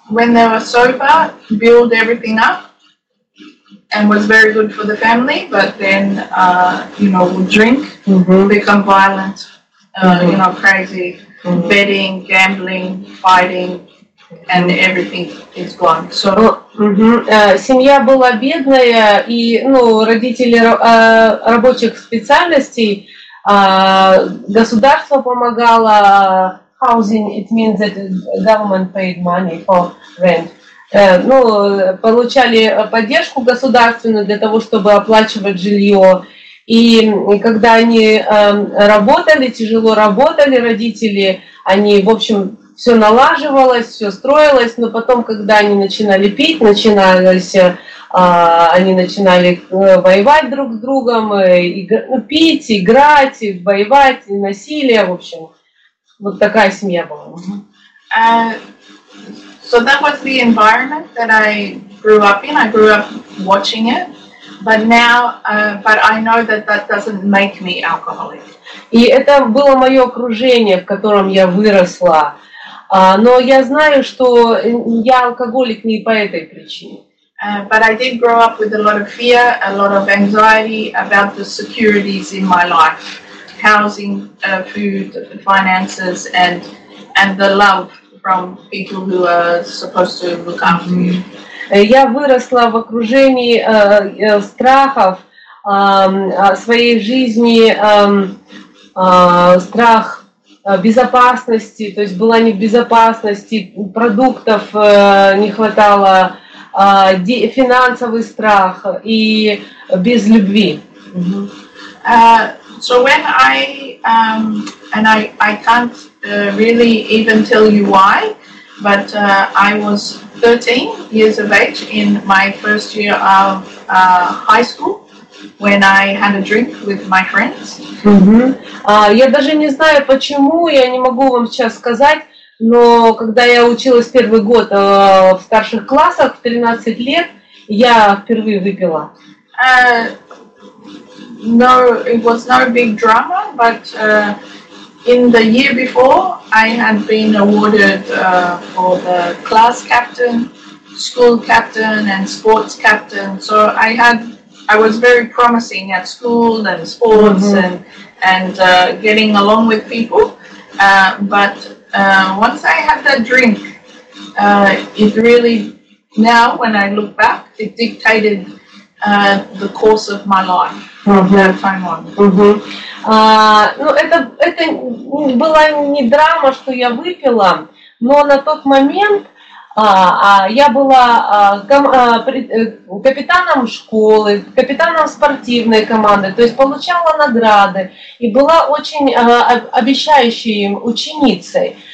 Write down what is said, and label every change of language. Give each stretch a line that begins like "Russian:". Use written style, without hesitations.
English: When they were sober, build everything up. And was very good for the family, but then, you know, would drink, become violent, you know, crazy, betting, gambling, fighting, and everything is gone. So,
Russian: семья была бедная, и, ну, родители рабочих специальностей, государство помогало.
English: Housing, it means that government paid money for rent.
Russian: Ну, получали поддержку государственную для того, чтобы оплачивать жилье. И когда они работали, тяжело работали родители, они, в общем, все налаживалось, все строилось, но потом, когда они начинали пить, они начинали воевать друг с другом, пить, играть, воевать, насилие, в общем, вот такая семья была.
English: So that was the environment that I grew up in. I grew up watching it, but now, but I know that that doesn't make me alcoholic.
Russian: И это было мое окружение, в котором я выросла. Но я знаю, что я алкоголик не по этой причине.
English: But I did grow up with a lot of fear, a lot of anxiety about the securities in my life, housing, food, finances, and the love. From people who are supposed to look after you.
Russian: Я выросла в окружении страхов своей жизни, страх безопасности, то есть была не в безопасности, продуктов не хватало, финансовый страх и без любви.
English: So when I and I can't really even tell you why, but I was 13 years of age in my first year of high school when I had a drink with my friends.
Russian: Я даже не знаю почему, я не могу вам сейчас сказать, но когда я училась первый год в старших классах в 13 лет, я впервые выпила.
English: No, it was no big drama, but in the year before, I had been awarded for the class captain, school captain, and sports captain. So I was very promising at school and sports and getting along with people. But once I had that drink, it really, now when I look back, it dictated the course of my life, mm-hmm. that time on.
Russian: Ну, это была не драма, что я выпила, но на тот момент я была капитаном школы, капитаном спортивной команды, то есть получала награды и была очень обещающей им ученицей.